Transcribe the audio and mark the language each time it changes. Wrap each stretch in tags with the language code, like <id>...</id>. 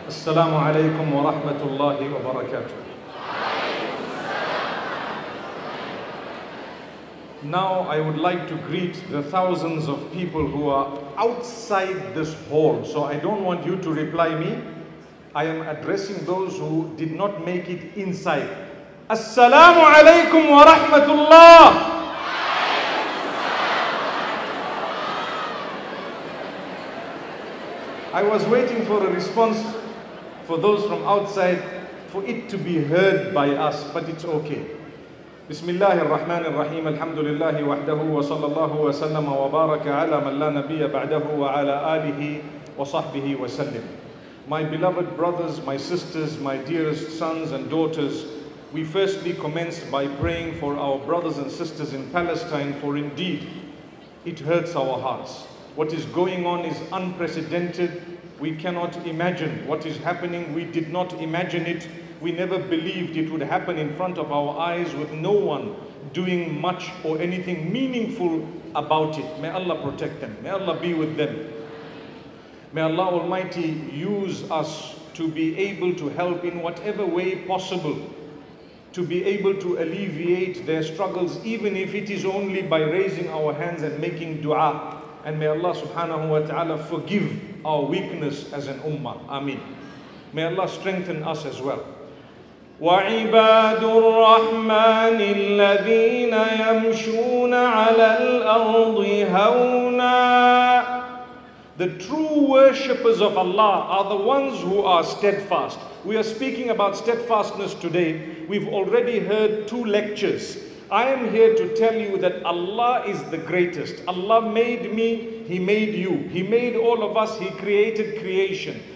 <ar>السلام عليكم ورحمة الله وبركاته.</ar> <en>Now I would like to greet the thousands of people who are outside this hall. So I don't want you to reply me. I am addressing those who did not make it inside.</en> <ar>Assalamu alaikum wa rahmatullah.</ar> <en>I was waiting for a response for those from outside for it to be heard by us, but it's okay.</en> <ar>بسم الله الرحمن الرحيم الحمد لله وحده وصلى الله وسلم وبارك على من لا نبي بعده وعلى آله وصحبه وسلم.</ar> <en>My beloved brothers, my sisters, my dearest sons and daughters, we firstly commence by praying for our brothers and sisters in Palestine, for indeed it hurts our hearts. What is going on is unprecedented. We cannot imagine what is happening. We did not imagine it. We never believed it would happen in front of our eyes with no one doing much or anything meaningful about it. May Allah protect them. May Allah be with them. May Allah Almighty use us to be able to help in whatever way possible, to be able to alleviate their struggles, even if it is only by raising our hands and making dua. And may Allah subhanahu wa ta'ala forgive our weakness as an ummah. Ameen. May Allah strengthen us as well.</en> <ar>وعباد الرحمن الذين يمشون على الأرض هونا.</ar> <en>The true worshippers of Allah are the ones who are steadfast. We are speaking about steadfastness today. We've already heard two lectures. I am here to tell you that Allah is the greatest. Allah made me, He made you. He made all of us, He created creation.</en>